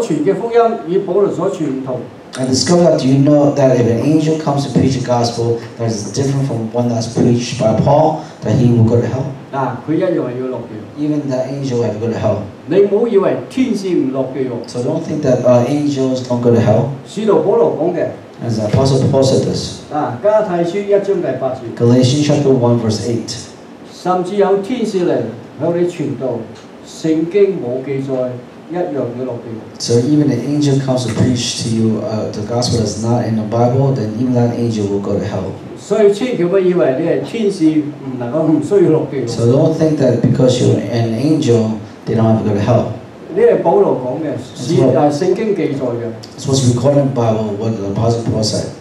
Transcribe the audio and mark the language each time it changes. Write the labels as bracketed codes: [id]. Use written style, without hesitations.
[yue] 我發現，若是天使嚟傳福音，所傳嘅福音與保羅所傳唔同。 [en] And discover that, do you know that if an angel comes to preach the gospel that is different from one that's preached by Paul, that he will go to hell? [yue] 嗱，佢一樣要落地獄。 [en] Even that angel will go to hell. [yue] 你唔好以為天使唔落地獄。 [en] So don't think that angels don't go to hell. [yue] 使徒保羅講嘅。 [en] As the apostle Paul said this. [yue] 啊，加泰書1:8. [en] Galatians chapter 1:8. [yue] 甚至有天使嚟向你傳道，聖經冇記載，一樣要落地獄。So [en] even an angel comes to preach to you, the gospel is not in the Bible, then even that angel will go to hell. [yue] 所以千祈唔好以為你係天使，唔能夠唔需要落地獄。So [en] don't think that because you're an angel, they don't have to go to hell. [yue] 呢係保羅講嘅，是聖經記載嘅。 [en] It's what's recorded in the Bible, what the apostle Paul said.